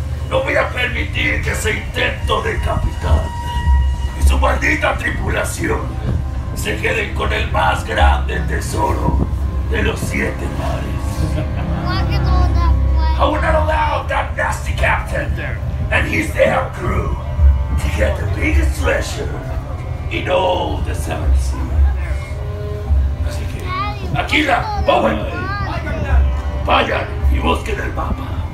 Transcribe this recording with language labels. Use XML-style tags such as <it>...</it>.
<es>No voy a permitir que ese intento de capitán y su maldita tripulación se queden con el más grande tesoro de los siete mares.</es> <en>I will not allow that nasty captain and his damn crew to get the biggest treasure in all the seven seas.</en> <es>Así que, Aquila, Owen, vayan y busquen el mapa.</es>